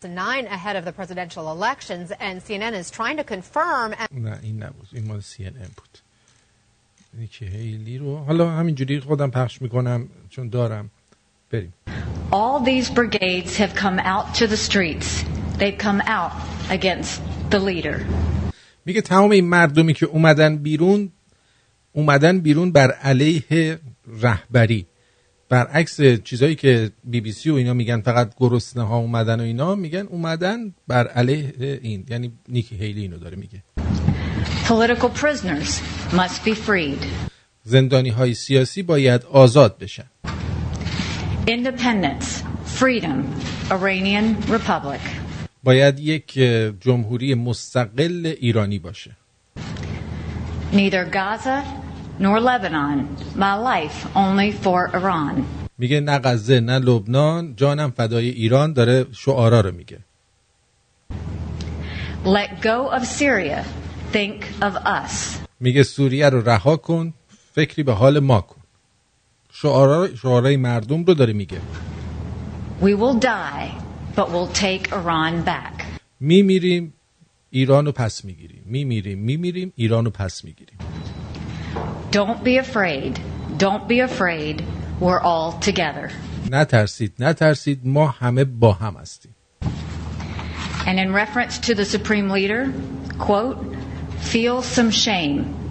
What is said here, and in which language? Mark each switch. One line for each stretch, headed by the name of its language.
English: Nine ahead of the presidential elections, and CNN is trying to confirm.
Persian: نه این نبود، این مال CNN بود. نیکی هیلی رو حالا همینجوری خودم پخش میکنم چون دارم. بریم.
English: All these brigades have come out to the streets. They've come out against the leader.
Persian: میگه تمام این مردمی که اومدن بیرون، اومدن بیرون بر علیه رهبری. برعکس چیزایی که بی بی سی و اینا میگن فقط گرسنه ها اومدن و اینا، میگن اومدن بر علیه این، یعنی نیکی هیلی اینو داره میگه.
English: Political prisoners must be freed.
Persian: زندانی های سیاسی باید آزاد بشن.
English: Independence, freedom, Iranian republic.
Persian: باید یک جمهوری مستقل ایرانی باشه.
English: Neither Gaza nor Lebanon, my life only for Iran.
Persian: میگه نه غزه نه لبنان، جانم فدای ایران، داره شعارا رو میگه.
English: Let go of Syria, think of us.
Persian: میگه سوریه رو رها کن، فکری به حال ما کن. شعارای مردم رو داره میگه.
English: We will die but we'll take Iran back.
Persian: میمیریم ایرانو پس میگیریم. میمیریم ایرانو پس میگیریم.
English: Don't be afraid. Don't be afraid. We're all together.
Persian: نترسید ما همه با هم هستیم.
English: And in reference to the supreme leader, quote, feel some shame.